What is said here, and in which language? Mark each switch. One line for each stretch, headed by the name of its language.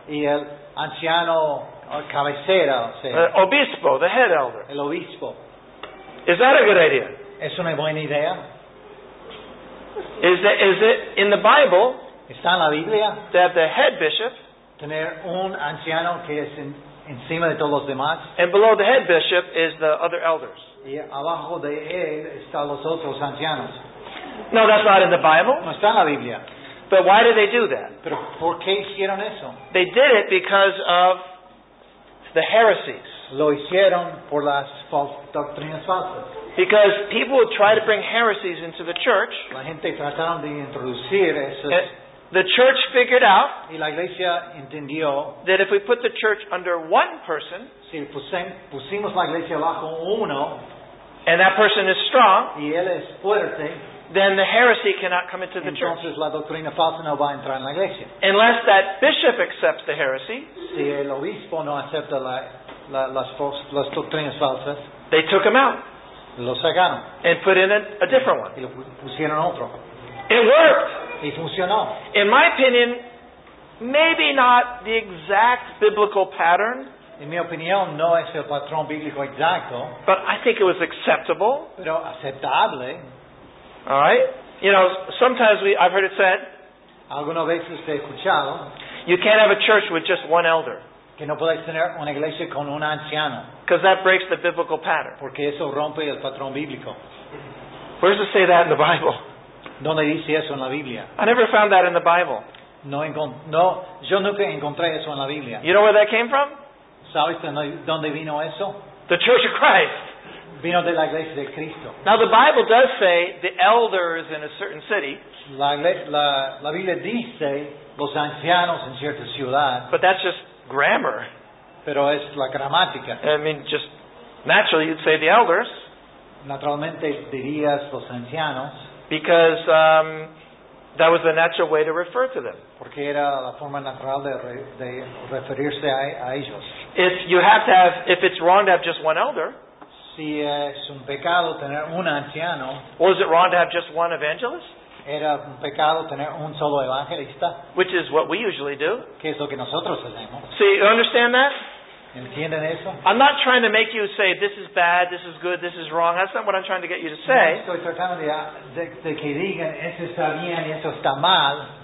Spanish: Y el anciano cabecera, o sea,
English: obispo, the head elder.
Spanish: El obispo.
English: Is that a good idea?
Spanish: ¿Es una buena idea?
English: Is it in the Bible?
Spanish: ¿Está en la Biblia?
English: To have the head bishop,
Spanish: tener un anciano que es encima de todos los demás.
English: And below the head bishop is the other elders.
Spanish: Y abajo de él están los otros ancianos.
English: No, that's not in the Bible.
Spanish: No está en la Biblia.
English: But why did they do that?
Spanish: Pero ¿por qué hicieron eso?
English: They did it because of the heresies.
Spanish: Lo hicieron por las doctrinas falsas.
English: Because people would try to bring heresies into the church.
Spanish: La gente trataron de introducir esas.
English: The church figured out,
Spanish: y la iglesia entendió,
English: that if we put the church under one person,
Spanish: si pusimos la iglesia bajo uno,
English: and that person is strong,
Spanish: y él es fuerte,
English: then the heresy cannot come into the
Spanish: entonces
English: church.
Spanish: La doctrina falsa no va a entrar en la iglesia.
English: Unless that bishop accepts the heresy,
Spanish: si el obispo no acepta las doctrinas falsas,
English: they took him out.
Spanish: Lo sacaron.
English: And put in a different one.
Spanish: Y lo pusieron otro.
English: It worked.
Spanish: Y funcionó.
English: In my opinion, maybe not the exact biblical pattern.
Spanish: En mi opinión, no es el patrón bíblico exacto.
English: But I think it was acceptable.
Spanish: Pero aceptable.
English: All right. You know, sometimes I've heard it said,
Spanish: algunas veces he escuchado,
English: you can't have a church with just one elder.
Spanish: Que no puedes tener una iglesia con un anciano.
English: Because that breaks the biblical pattern.
Spanish: Porque eso rompe el patrón bíblico.
English: Where does it say that in the Bible?
Spanish: ¿Dónde dice eso en la Biblia?
English: I never found that in the Bible.
Spanish: No, yo nunca encontré eso en la Biblia.
English: You know where that came from?
Spanish: ¿Sabes dónde vino eso?
English: The Church of Christ.
Spanish: Vino de la iglesia de Cristo.
English: Now the Bible does say the elders in a certain city.
Spanish: La Biblia dice los ancianos en cierta ciudad.
English: But that's just grammar.
Spanish: Pero es la gramática.
English: I mean, just naturally you'd say the elders.
Spanish: Naturalmente dirías los ancianos.
English: Because that was the natural way to refer to them.
Spanish: Porque era la forma natural de referirse a ellos.
English: If it's wrong to have just one elder,
Spanish: si es un pecado tener un anciano,
English: was it wrong to have just one evangelist?
Spanish: Era un pecado tener un solo evangelista.
English: Which is what we usually do.
Spanish: Que es lo que nosotros hacemos.
English: See, you understand that?
Spanish: ¿Entienden eso?
English: I'm not trying to make you say this is bad, this is good, this is wrong. That's not what I'm trying to get you to say.
Spanish: No, estoy tratando de que digan eso está bien y eso está mal.